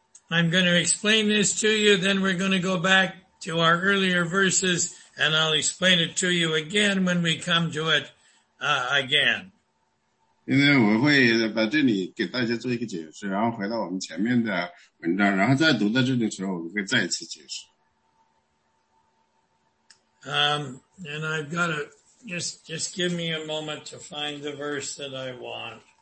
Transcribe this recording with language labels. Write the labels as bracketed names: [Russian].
[English] I'm going to explain this to you, then we're going to go back to our earlier verses, and I'll explain it to you again when we come to it, again. [Chinese] 今天我会把这里给大家做一个解释，然后回到我们前面的文章，然后再读到这里的时候，我们会再一次解释。 [English] And I've got to, just give me a moment to find the verse that I want.